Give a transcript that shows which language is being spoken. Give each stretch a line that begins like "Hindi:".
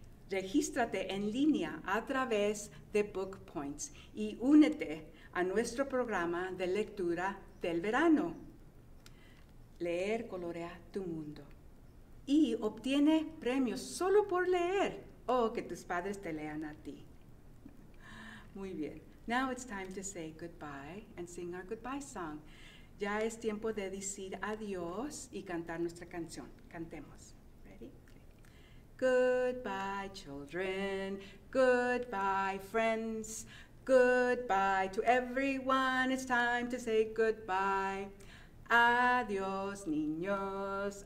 Spanish: Regístrate en línea a través de Book Points y únete a nuestro programa de lectura del verano. Leer colorea tu mundo. Y obtiene premios solo por leer o que tus padres te lean a ti. Muy bien.
English: Now it's time to say goodbye and sing our goodbye song.
Spanish: Ya es tiempo de decir adiós y cantar nuestra canción. Cantemos.
English: Ready? Goodbye, children. Goodbye, friends. Goodbye to everyone. It's time to say goodbye.
Spanish: Adiós, niños.